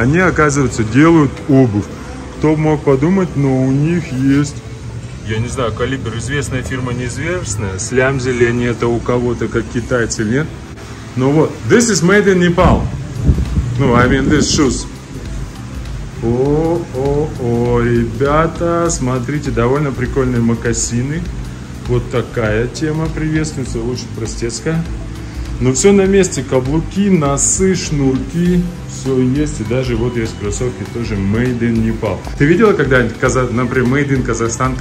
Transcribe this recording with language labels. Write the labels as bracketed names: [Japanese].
[Russian] Они, оказывается, делают обувь. Кто мог подумать, но у них есть, я не знаю, калибр, известная фирма, неизвестная. Слямзили они это у кого-то, как китайцы, нет? Ну вот, [English] this is made in Nepal. Ну, I mean, this shoes. [Russian] О-о-о, ребята, смотрите, довольно прикольные мокасины. Вот такая тема приветствуется, очень простецкая. Но все на месте, каблуки, носы, шнурки. Есть, и даже вот есть кроссовки тоже Made in Nepal. Ты видела когда-нибудь, например, Made in Kazakhstan кроссовки?